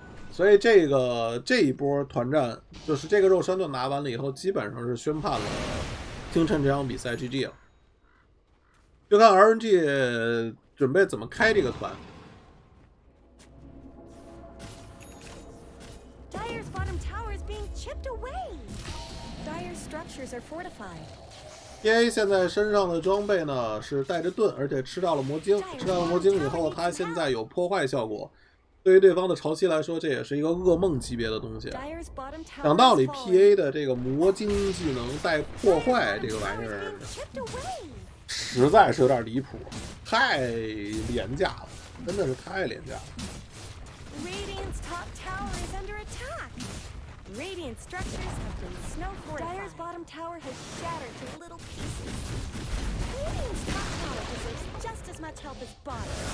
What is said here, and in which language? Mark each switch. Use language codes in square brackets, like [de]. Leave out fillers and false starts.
[zh] 所以这一波团战就是这个肉身盾拿完了以后，基本上是宣判了星辰这场比赛 GG 了。就看 RNG 准备怎么开这个团。 [en] Dire's bottom tower is being chipped away. Dire's structures are fortified. [zh] PA 现在身上的装备呢是带着盾，而且吃掉了魔晶。吃掉了魔晶以后，他现在有破坏效果。对于对方的潮汐来说，这也是一个噩梦级别的东西。讲道理 ，PA 的这个魔晶技能带破坏这个玩意儿，实在是有点离谱，太廉价了，真的是太廉价了。 [en] Radiant's top tower is under attack. Radiant structures have been snow fortified. Dire's bottom tower has shattered to little pieces. Radiant's top tower deserves just as much help as bottom.